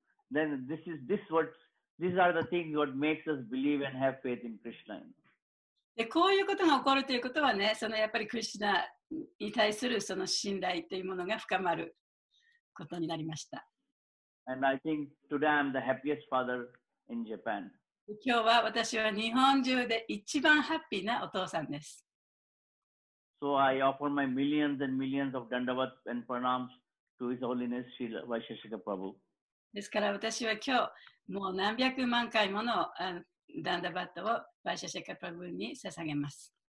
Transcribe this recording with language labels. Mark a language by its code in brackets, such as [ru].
[en] Then these are the things what makes us believe and have faith in Krishna. [ja] で、こういうことが起こるということはね、そのやっぱりクリシナに対するその信頼というものが深まることになりました。 [en] And I think today I'm the happiest father. In Japan. [ja] 今日は私は日本中で一番ハッピーなお父さんです。 [en] So I offer my millions and millions of dandavat and pranams to His Holiness Srila Vaisheshika Prabhu. [ja] ですから私は今日もう何百万回ものダンダバットをバイシャシェカプラブに捧げます。